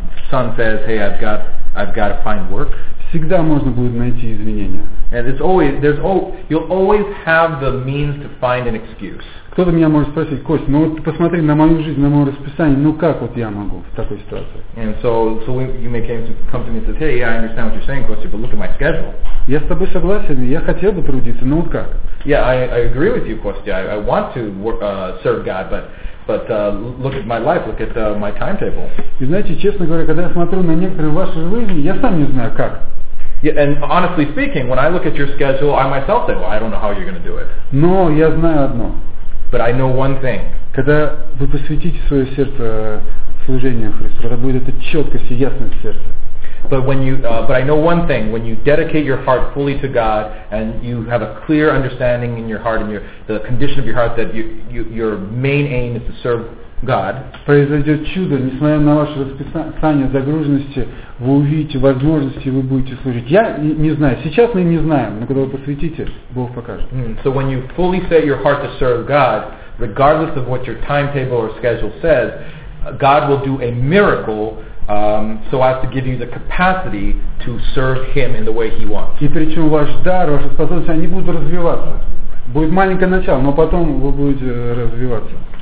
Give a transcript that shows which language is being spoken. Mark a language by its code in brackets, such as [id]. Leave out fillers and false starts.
[en] Son says, hey, I've got to find work. [ru] Всегда можно будет найти извинения. [en] And it's always you'll always have the means to find an excuse. [ru] Кто-то меня может спросить, Кость, ну вот посмотри на мою жизнь, на мое расписание, ну как вот я могу в такой ситуации? [en] And so you may come to me and say, hey, yeah, I understand what you're saying, Костя, but look at my schedule. [ru] Я с тобой согласен, я хотел бы трудиться, но вот как? [en] Yeah, I agree with you, Костя, I want to serve God, but look at my life, look at my timetable. [ru] И знаете, честно говоря, когда я смотрю на некоторые ваши жизни, я сам не знаю как. [en] Yeah, and honestly speaking, when I look at your schedule, I myself say, well, I don't know how you're going to do it. [ru] Но я знаю одно. [en] But I know one thing. [ru] Когда вы посвятите свое сердце служению Христу, тогда будет эта четкость и ясность в сердце. [en] But I know one thing. When you dedicate your heart fully to God and you have a clear understanding in your heart and the condition of your heart that your main aim is to serve God. [ru] Произойдет чудо, несмотря на ваше расписание, загруженности, вы увидите возможности, вы будете служить. Я не знаю, сейчас мы не знаем, но когда вы посвятите, Бог покажет. [en] So when you fully set your heart to serve God, regardless of what your timetable or schedule says, God will do a miracle so as to give you the capacity to serve Him in the way He wants. [ru] И причем ваш дар, ваши способности, они будут развиваться. Будет маленькое начало, но потом вы будете развиваться.